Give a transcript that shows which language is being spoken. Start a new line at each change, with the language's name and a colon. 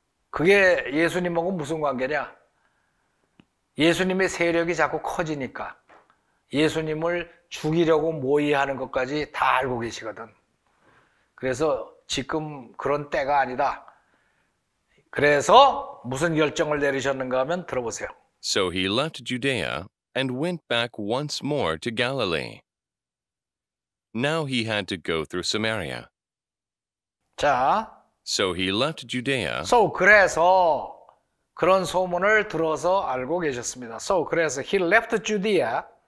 Korean: 그게 예수님하고 무슨 관계냐? 예수님의 세력이 자꾸 커지니까 예수님을 죽이려고 모의하는 것까지 다 알고 계시거든. 그래서 지금 그런 때가 아니다. 그래서 무슨 결정을 내리셨는가 하면 들어보세요.
English: So he left Judea and went back once more to Galilee. Now he had to go through Samaria.
Korean: 자,
English: So he left Judea.
Korean: So 그래서 그런 소문을 들어서 알고 계셨습니다.
English: So
Korean: 그래서
English: he left Judea.